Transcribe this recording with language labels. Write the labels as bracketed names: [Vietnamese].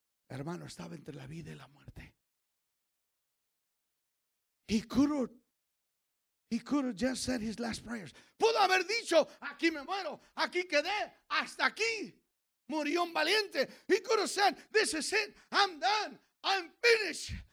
[Spanish] Hermano, estaba entre la vida y la muerte. [English] He could have just said his last prayers. [Spanish] Pudo haber dicho, aquí me muero, aquí quedé, hasta aquí. Murió un valiente. [English] He could have said, this is it, I'm done, I'm finished.